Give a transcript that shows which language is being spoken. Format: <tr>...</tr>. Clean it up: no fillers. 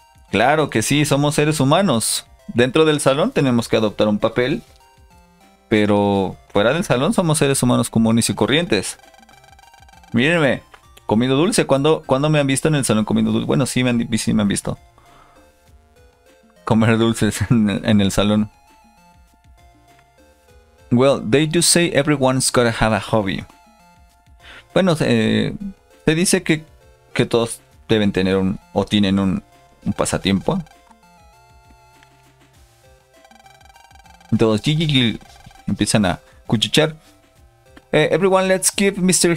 <es>Claro que sí, somos seres humanos. Dentro del salón tenemos que adoptar un papel, pero fuera del salón somos seres humanos comunes y corrientes. Mírenme, comido dulce. ¿Cuándo me han visto en el salón comiendo dulce? Bueno, sí me han visto comer dulces en el salón.</es> <en>Well, they do say everyone's gotta have a hobby.</en> <es>Bueno, se dice que todos deben tener un o tienen un pasatiempo. Todos empiezan a cuchichear.</es> <en>Everyone, let's give Mr.</en>